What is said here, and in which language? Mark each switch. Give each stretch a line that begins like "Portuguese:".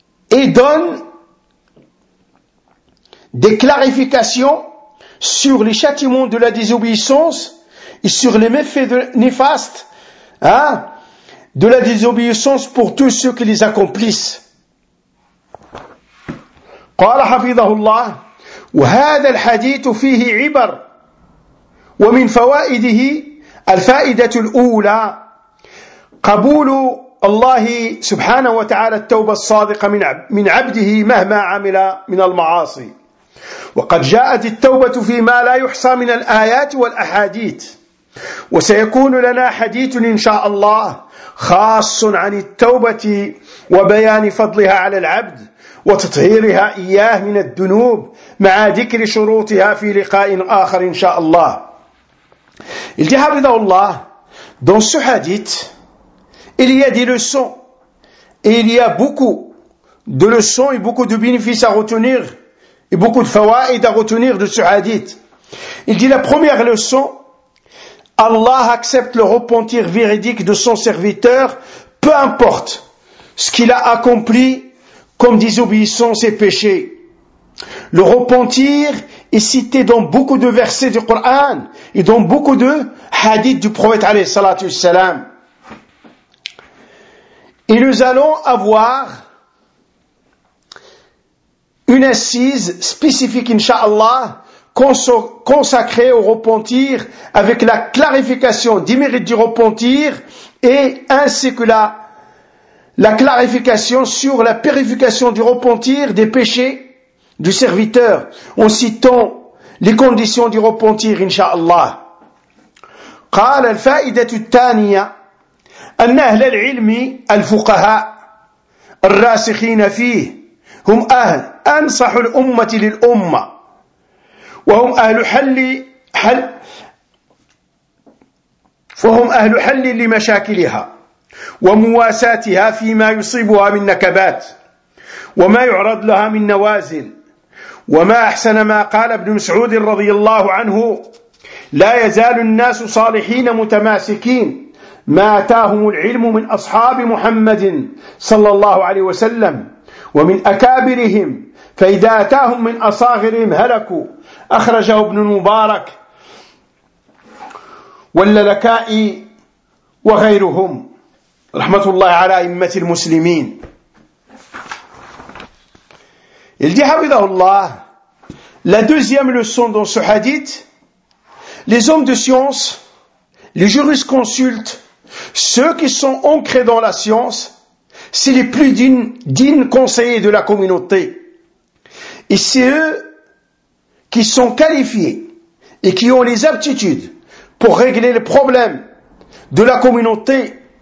French: Et donnent des clarifications sur les châtiments de la désobéissance et sur les méfaits néfastes de la désobéissance pour tous ceux qui les accomplissent.
Arabic: قال حفظه الله وهذا الحديث فيه عبر ومن فوائده الفائدة الأولى قبول الله سبحانه وتعالى التوبة الصادقة من عبده مهما عمل من المعاصي وقد جاءت التوبة فيما لا يحصى من الآيات والأحاديث وسيكون لنا حديث إن شاء الله خاص عن التوبة وبيان فضلها على العبد وتطهيرها إياه من الذنوب مع ذكر شروطها في لقاء آخر إن شاء الله Il dit حفظه الله dans ce hadith il y a des leçons et il y a beaucoup
French: de leçons et beaucoup de bénéfices à retenir et beaucoup de fawaïd à retenir de ce hadith. Il dit la première leçon, Allah accepte le repentir véridique de son serviteur, peu importe ce qu'il a accompli comme désobéissance et péché. Le repentir est cité dans beaucoup de versets du Coran et dans beaucoup de hadiths du prophète alayhi salatu wassalam. Et nous allons avoir une assise spécifique, incha'Allah, consacrée au repentir avec la clarification des mérites du repentir et ainsi que la clarification sur la purification du repentir des péchés du serviteur en citant les conditions du repentir, incha'Allah.
Arabic: قال الفائدة الثانية أن أهل العلم الفقهاء الراسخين فيه هم أهل أنصح الأمة للأمة وهم أهل حل فهم أهل حل لمشاكلها ومواساتها فيما يصيبها من نكبات وما يعرض لها من نوازل وما أحسن ما قال ابن مسعود رضي الله عنه لا يزال الناس صالحين متماسكين ما أتاهم العلم من أصحاب محمد صلى الله عليه وسلم ومن أكابرهم فإذا أتاهم من أصاغرهم هلكوا أخرجه ابن المبارك واللكائي وغيرهم رحمة الله على أئمة المسلمين الذي حفظه الله la deuxième leçon dans ce hadith.
French: Les hommes de science, les jurisconsultes, ceux qui sont ancrés dans la science, c'est les plus dignes conseillers de la communauté. Et c'est eux qui sont qualifiés et qui ont les aptitudes pour régler les problèmes de la communauté.